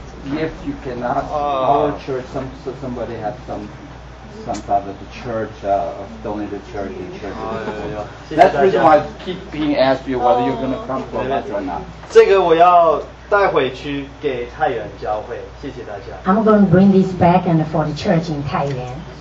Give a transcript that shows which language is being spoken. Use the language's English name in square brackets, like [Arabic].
[English] If you cannot, our church, somebody has some part of the church, donate the church, the church. That's the reason why I keep being asked you whether you're going to come for lunch or not. [Chinese] 这个我要带回去给太原教会，谢谢大家。 [English] I'm going to bring this back and for the church in 太原。